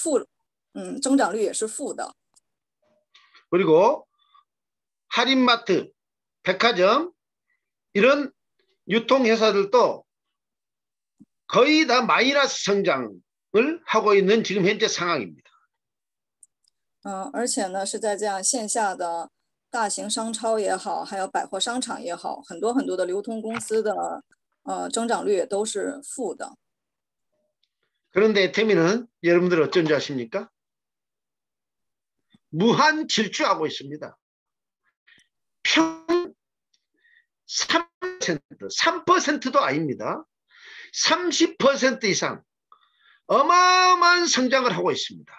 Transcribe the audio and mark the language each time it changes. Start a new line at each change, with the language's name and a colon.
Chinese: 就像安利这样的全球性的网络直销公司，目前也是负增长率也是负的。
Korean: 그리고 할인마트 백화점 이런 유통 회사들도 거의 다 마이너스 성장을 하고 있는 지금 현재 상황입니다.
Chinese: 而且呢，是在这样线下的大型商超也好，还有百货商场也好，很多很多的流通公司的增长率都是负的。
Korean: 그런데 태민은 여러분들 어쩐 줄 아십니까? 무한 질주하고 있습니다. 3%도 아닙니다. 30% 이상 어마어마한 성장을 하고 있습니다.